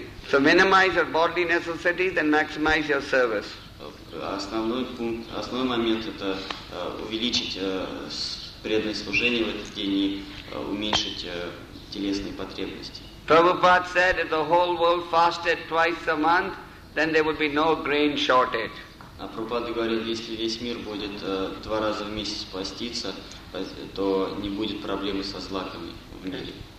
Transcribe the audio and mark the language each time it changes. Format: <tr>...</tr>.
<en>So minimize your bodily necessities and maximize your service.</en> <ru>Основной момент – это увеличить преданное служение в этот день и уменьшить телесные потребности.</ru> <en>Prabhupada said, if the whole world fasted twice a month, then there would be no grain shortage.</en> <ru>А Прабхупада говорит, если весь мир будет два раза в месяц поститься, то не будет проблемы со злаками в мире.</ru>